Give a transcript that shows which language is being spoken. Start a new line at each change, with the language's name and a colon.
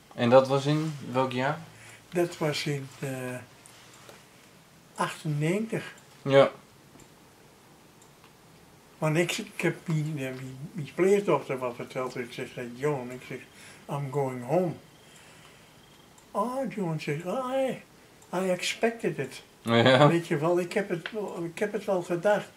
Dutch: En dat was in welk jaar? Dat was in 98. Ja. Want ik heb mijn pleegdochter wat verteld. Ik zeg, John, ik zeg,
English: I'm going home.
Dutch: Oh, John zegt,
English: I expected it.
Dutch: Ja. Weet je wel, ik heb het wel gedacht.